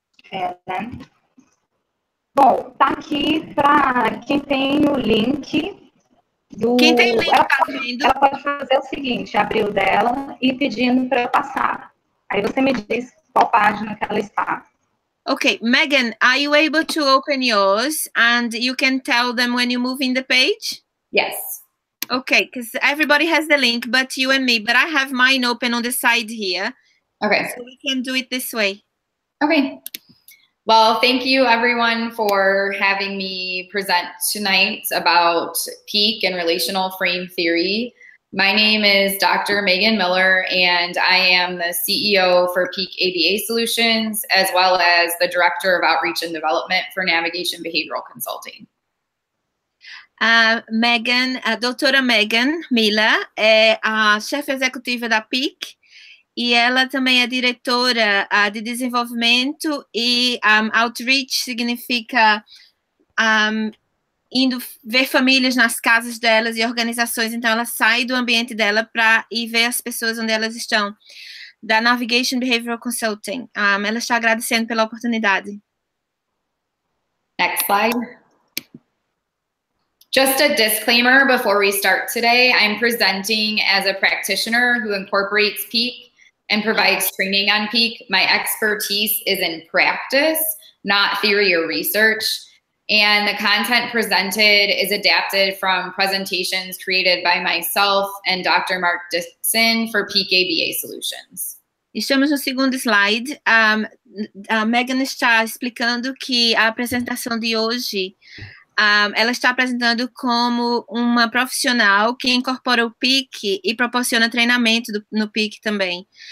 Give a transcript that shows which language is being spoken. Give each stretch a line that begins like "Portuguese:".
Portuguese: É, né? Bom, tá aqui para quem tem o link do... Quem tem o link está vendo? Ela pode fazer o seguinte, abrir o dela e pedindo para eu passar. Aí você me diz qual página que ela está.
English: Okay, Megan, are you able to open yours and you can tell them when you move in the page? Yes. Okay, because everybody has the link, but you and me, but I have mine open on the side here. Okay. So we can do it this way. Okay. Well, thank you everyone for having me present tonight about peak and relational frame theory. My name is Dr. Megan Miller, and I am the CEO for Peak ABA Solutions, as well as the Director of Outreach and Development for Navigation Behavioral Consulting.
Portuguese: Megan, Doutora Megan Miller é a chefe executiva da Peak, e ela também é diretora de desenvolvimento e outreach, significa indo ver famílias nas casas delas e organizações. Então, ela sai do ambiente dela para ir ver as pessoas onde elas estão. Da Navigation Behavioral Consulting. Ela está agradecendo pela oportunidade.
English: Next slide. Just a disclaimer before we start today. I'm presenting as a practitioner who incorporates PEAK and provides training on PEAK. My expertise is in practice, not theory or research. And the content presented is adapted from presentations created by myself and Dr. Mark Dixon for Peak ABA Solutions.
Portuguese: Estamos no segundo slide. A Megan está explicando que a apresentação de hoje, ela está apresentando como uma profissional que incorpora o PEAK e proporciona treinamento no PEAK também.